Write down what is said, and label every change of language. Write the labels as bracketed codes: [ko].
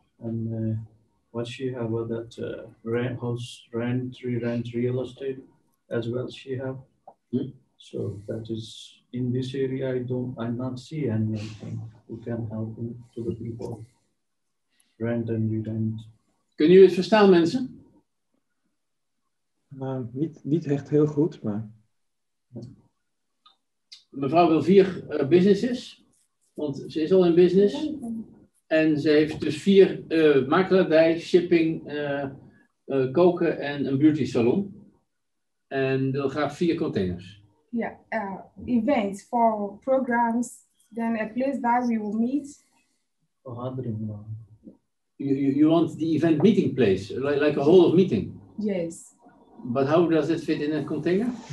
[en] And what she have with that rent house, rent real estate as well she have. Mm-hmm. So that is in this area. I'm not see anything who can help to the people. Rent and rent. [nl] Kun je het verstaan, mensen? Niet echt heel goed, maar. Mevrouw wil vier businesses, want ze is al in business. En ze heeft dus vier makelaardij, shipping, koken en een beauty salon. En wil graag vier containers. [en] Ja, yeah, events for programs, then a place that we will meet. You want the event meeting place, like a hall of meeting? Yes. But how does it fit in a container?